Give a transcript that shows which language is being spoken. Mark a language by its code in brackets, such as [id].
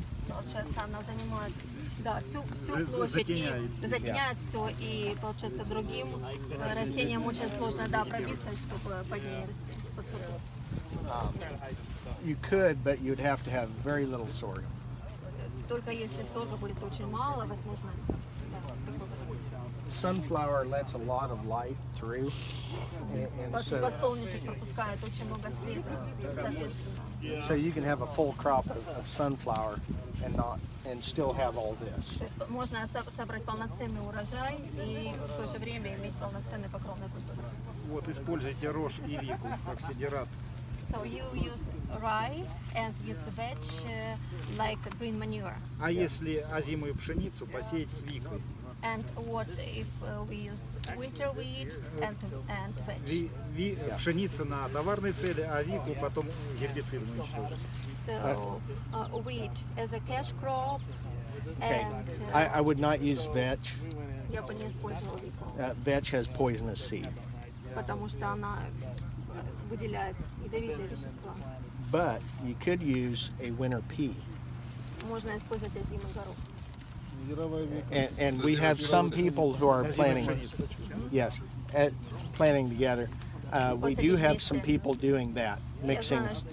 [ru] Получается, она занимает всю площадь затеняет все, и получается другим растениям очень сложно пробиться, чтобы под ней расти. [en] You could, but you'd have to have very little sorghum. [ru] Только если сорга будет очень мало, возможно. [en] Sunflower lets a lot of light through, and so. [ru] Подсолнечник пропускает очень много света. [en] So you can have a full crop of sunflower, and still have all this. [ru] Можно собрать полноценный урожай и в то же время иметь полноценный покровный культур. Вот используйте рожь и вику как сидерат. [en] So you use rye and use the veg like green manure. [ru] А если озимую пшеницу посеять с викой? [en] And what if we use winter wheat and veg? [ru] Пшеница на товарные цели, а вику потом гербицидную уничтожить. [en] So wheat as a cash crop. I would not use vetch. [ru] Я бы не использовала вику. [en] Vetch has poisonous seed. [ru] Потому что она выделяет ядовитые вещества. [en] But you could use a winter pea. [ru] Можно использовать озимый горох. [en] And we have some people who are planning, yes, planning together. We do have some people doing that, mixing.